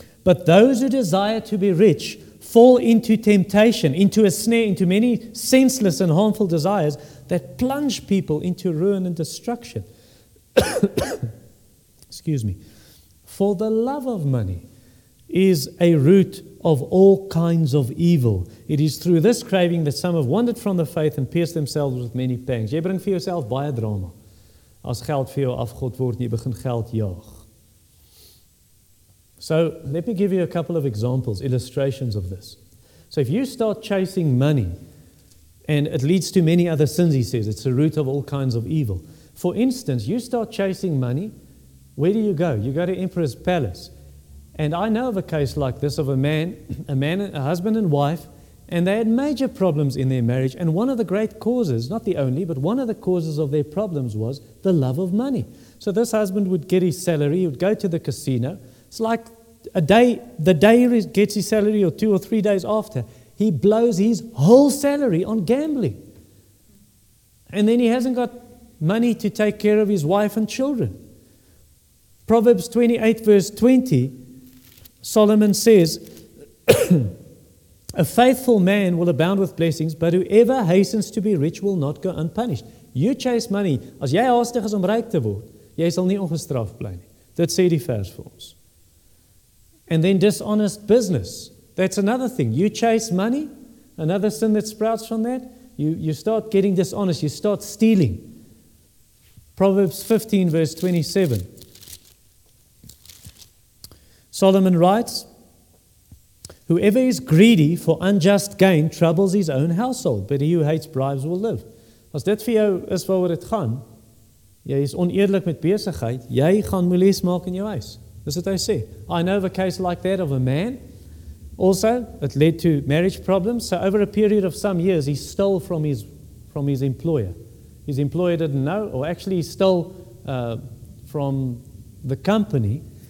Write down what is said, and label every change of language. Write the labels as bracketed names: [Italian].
[English] But those who desire to be rich fall into temptation, into a snare, into many senseless and harmful desires that plunge people into ruin and destruction. Excuse me. For the love of money is a root of all kinds of evil. It is through this craving that some have wandered from the faith and pierced themselves with many pangs. [Afrikaans] Jy bring vir jouself baie drama. As geld vir jou afgod word, jy begin geld jaag. [English] So let me give you a couple of examples, illustrations of this. So if you start chasing money, and it leads to many other sins, he says, it's the root of all kinds of evil. For instance, you start chasing money, where do you go? You go to Emperor's Palace. And I know of a case like this of a man, a husband and wife, and they had major problems in their marriage. And one of the great causes, not the only, but one of the causes of their problems was the love of money. So this husband would get his salary, he would go to the casino. It's like a day, the day he gets his salary or 2 or 3 days after, he blows his whole salary on gambling. And then he hasn't got money to take care of his wife and children. Proverbs 28 verse 20, Solomon says, a faithful man will abound with blessings, but whoever hastens to be rich will not go unpunished. You chase money. [Afrikaans] As jy haastig is om ryk te word, jy sal nie ongestraf bly nie. Dit sê die vers vir ons. [English] And then dishonest business. That's another thing. You chase money, another sin that sprouts from that. You start getting dishonest. You start stealing. Proverbs 15 verse 27. Solomon writes, whoever is greedy for unjust gain troubles his own household, but he who hates bribes will live. [Afrikaans] As dit vir jou is waaroor dit gaan, jy is oneerlik met besigheid, jy gaan moeilies maak in jou huis. Dis wat hy sê. [English] I know of a case like that of a man. Also, it led to marriage problems. So over a period of some years, he stole from his employer. His employer didn't know, or actually he stole from the company.